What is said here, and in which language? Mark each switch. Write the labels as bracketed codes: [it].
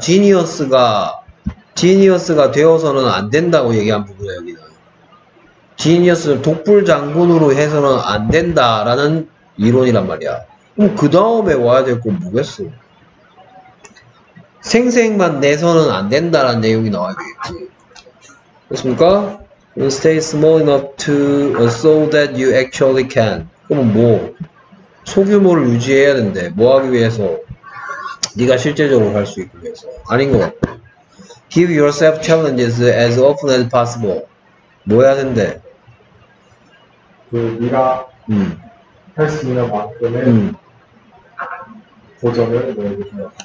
[ko] 지니어스가 되어서는 안 된다고 얘기한 부분이야, 여기는. 지니어스를 독불 장군으로 해서는 안 된다라는 이론이란 말이야. 그럼 그 다음에 와야 될 건 뭐겠어? 생색만 내서는 안 된다라는 내용이 나와야 되겠지. 그렇습니까? [en] You stay small enough to, so that you actually can. [ko] 그럼 뭐? 소규모를 유지해야 된대. 뭐 하기 위해서? 네가 실제적으로 할 수 있기 위해서. 아닌 것 같고. [en] Give yourself challenges as often as possible. [ko] 뭐 해야 된대? 그 네가 할 수 있는 만큼의 도전을 내주세요.